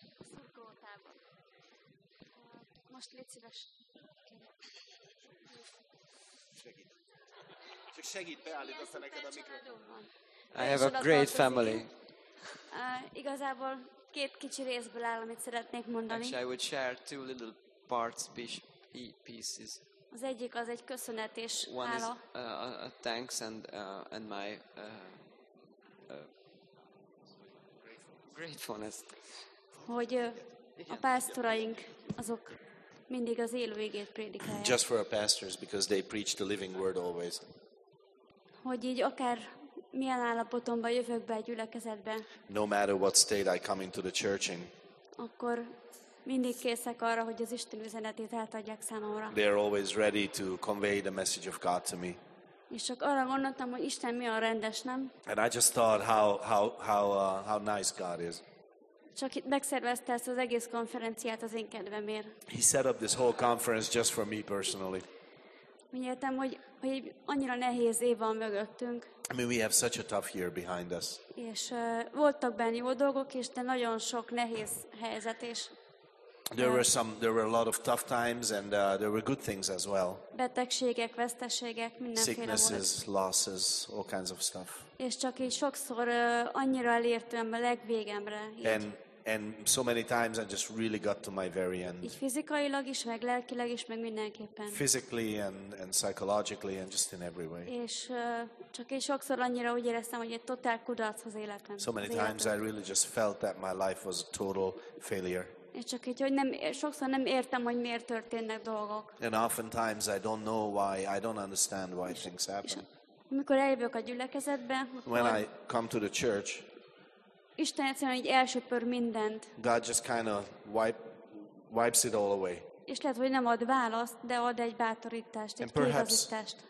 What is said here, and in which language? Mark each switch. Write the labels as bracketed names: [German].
[Hungarian] Szurkolótában. Most légy szíves. Segít. Csak segít, beállítasz a neked a mikrofon. [English] I have a great family. [Hungarian] Igazából két kicsi részből áll, amit szeretnék mondani. [English] Actually, I would share two little parts, pieces. [Hungarian] Az egyik az egy köszönet és hála. [English] One is a thanks and my gratefulness. [Hungarian] Hogy a pásztoraink azok Mindig az élő igét prédikálják. [English] Just for our pastors, because they preach the living word always. [Hungarian] Hogy így akár milyen állapotomban jövök be a gyülekezetbe. [English] No matter what state I come into the church in. [Hungarian] Akkor mindig készek arra, hogy az Isten üzenetét átadják számomra. [English] They are always ready to convey the message of God to me. [Hungarian] És csak arra gondoltam, hogy Isten milyen rendes, nem? [English] And I just thought how nice God is. [Hungarian] Csak megszervezte ezt az egész konferenciát az én kedvemért. [English] He set up this whole conference just for me personally. [Hungarian] Miértem, hogy annyira nehéz év van mögöttünk. [English] I mean, we have such a tough year behind us. [Hungarian] És voltak benne jó dolgok is, de nagyon sok nehéz helyzet is. [English] There were a lot of tough times and there were good things as well. [Hungarian] Betegségek, veszteségek, mindenféle volt. [English] Sicknesses, losses, all kinds of stuff. [Hungarian] És csak így sokszor annyira elértem a legvégemre. [English] And so many times I just really got to my very end. [Hungarian] Így fizikailag is, meg lelkileg is, meg mindenképpen. [English] Physically and psychologically and just in every way. [Hungarian] És csak így sokszor annyira úgy éreztem, hogy egy totál kudarchoz életem. [English] So many times I really just felt that my life was a total failure. [Hungarian] És csak így, hogy nem, sokszor nem értem, hogy miért történnek dolgok. [English] And oftentimes I don't know why, I don't understand why things happen. [Hungarian] Amikor eljövök a gyülekezetbe, [English] when I come to the church, [Hungarian] Isten egyszerűen így elsöpör mindent. [English] God just kind of wipes it all away. [Hungarian] És lehet, hogy nem ad választ, de ad egy bátorítást, egy kiigazítást.